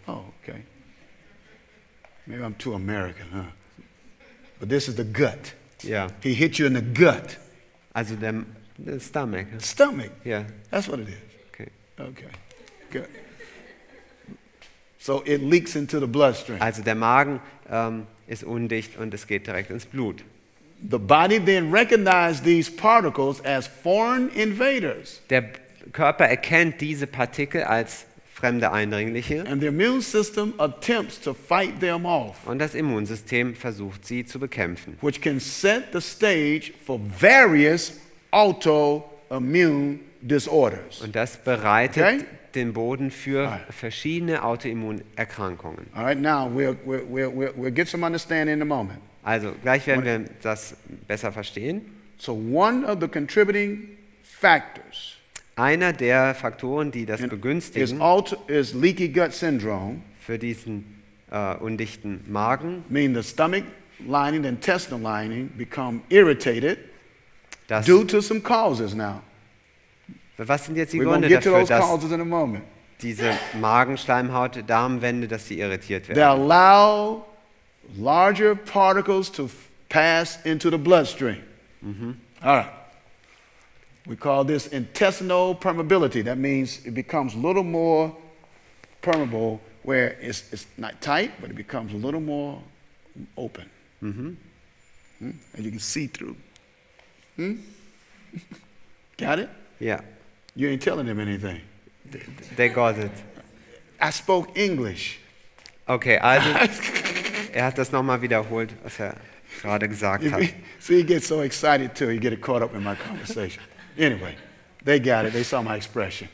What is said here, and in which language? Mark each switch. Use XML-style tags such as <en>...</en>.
<en>Oh, okay. Maybe I'm too American, huh? But this is the gut. Yeah. He hit you in the gut.</en> <de>Also der</de> <en>The stomach. Huh? Stomach. Yeah. That's what it is. Okay. Okay. Good. So it leaks into the bloodstream.</en> <de>Also der Magen ist undicht und es geht direkt ins Blut.</de> <en>The body then recognizes these particles as foreign invaders.</en> <de>Der Körper erkennt diese Partikel als fremde Eindringliche.</de> <en>And the immune system attempts to fight them off.</en> <de>Und das Immunsystem versucht sie zu bekämpfen.</de> <en>Which can set the stage for various autoimmune disorders.</en> <de>Und das bereitet okay? den Boden für verschiedene Autoimmunerkrankungen.</de> <en>All right, now we'll get some understanding in a moment.</en> <de>Also, gleich werden wir das besser verstehen.</de> <en>So one of the contributing factors.</en> <de>Einer der Faktoren, die das begünstigen,</de> <en>is leaky gut syndrome,</en> <de>für diesen undichten Magen.</de> <en>Mean the stomach lining, the intestinal lining become irritated due to some causes now.</en> <de>Was sind jetzt die Gründe dafür, dass diese Magenschleimhaut, Darmwände, dass sie irritiert werden?</de> <en>They allow larger particles to pass into the bloodstream. Mm-hmm. All right. We call this intestinal permeability. That means it becomes a little more permeable, where it's not tight, but it becomes a little more open. Mm-hmm. And you can see through. Got it? Yeah. You ain't telling them anything. They got it. I spoke English.</en> <de>Okay, also hat das nochmal wiederholt, was gerade gesagt hat.</de> <en>So you get so excited too, you get it caught up in my conversation. Anyway, they got it. They saw my expression.</en>